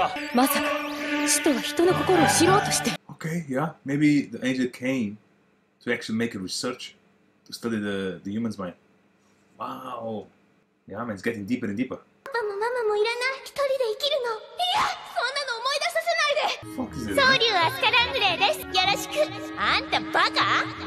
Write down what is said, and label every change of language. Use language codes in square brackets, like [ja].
[ja] ダメです。この遠距離でATフィールドを貫くには。まさか、使徒は人の心を知ろうとして。 [en] Okay, yeah. Maybe the angel came to actually make a research to study the human's mind. Wow. Yeah, man, it's getting deeper and deeper. [ja] パパもママもいらない。一人で生きるの。いや、そんなの思い出させないで。 [en] Fuck is it? [ja] 総竜アスカラングレーです。よろしく。あんたバカ?